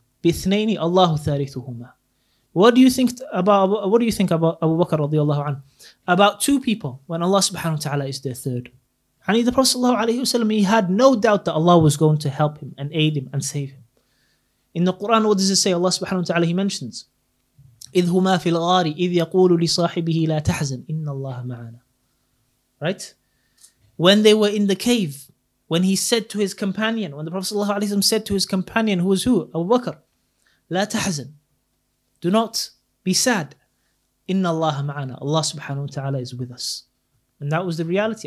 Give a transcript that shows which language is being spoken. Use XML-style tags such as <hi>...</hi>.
<ar>بِثْنَيْنِ اللَّهُ ثَارِثُهُمَا.</ar> <en>What do you think about Abu Bakr radiallahu anhu? About two people, when Allah subhanahu wa ta'ala is their third. And the Prophet sallallahu alayhi wa sallam, he had no doubt that Allah was going to help him and aid him and save him. In the Quran, what does it say? Allah subhanahu wa ta'ala, he mentions,</en> <ar>إِذْ هُمَا فِي الْغَارِ إِذْ يَقُولُ لِصَاحِبِهِ لَا تَحْزَنْ إِنَّ اللَّهَ مَعَنَا.</ar> <en>Right? When they were in the cave, when he said to his companion, when the Prophet ﷺ said to his companion, who was who? Abu Bakr.</en> <ar>لَا تَحْزَنْ.</ar> <en>Do not be sad.</en> <ar>إِنَّ اللَّهَ مَعَنَا.</ar> <en>Allah subhanahu wa ta'ala is with us. And that was the reality.</en>